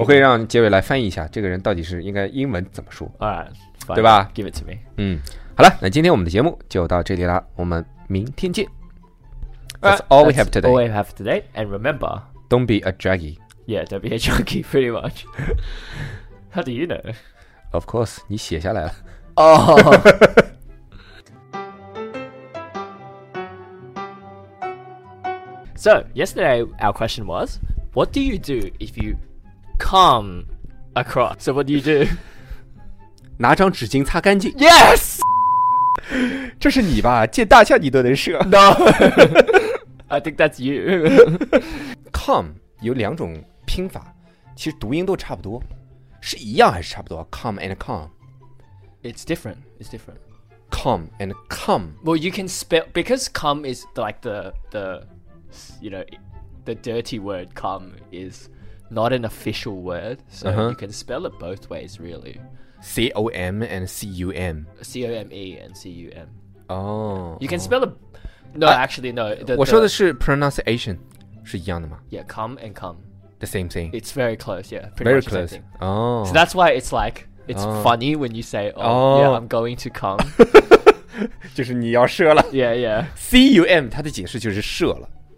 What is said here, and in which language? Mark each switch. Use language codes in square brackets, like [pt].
[zh] 我可以让杰瑞来翻译一下这个人到底是应该英文怎么说 [en] Alright, fine. [zh] 对吧 [en] Give it to me. [zh] 好了那今天我们的节目就到这里了我们明天见 [en] That's all we have today. And remember, don't be a druggy. Yeah, don't be a druggy, pretty much. How do you know? Of course, [zh] 你写下来了。 [en] Oh! So, yesterday our question was, what do you do if you come across? So what do you do? [zh] 拿张纸巾擦干净。 [en] Yes! [zh] 这是你吧,见大象你都能射。 [en] No! I think that's you. [zh] come 有两种拼法,其实读音都差不多。是一样还是差不多? [en] Come and come. It's different. Come and come. Well, you can spell, because come is like the... You know, the dirty word come is not an official word, so、 uh-huh. you can spell it both ways, really. C-O-M and C-U-M. C-O-M-E and C-U-M. Oh. You can spell it... No, actually, no. [zh] 我说的是 pronunciation, 是一样的吗? [en] Yeah, come and come. The same thing. It's very close, yeah. Pretty much close. The same thing. Oh. So that's why it's like, it's funny when you say, oh, yeah, I'm going to come. [zh] 就是你要射了。 [en] Yeah, yeah. [zh] C-U-M, 它的解释就是射了。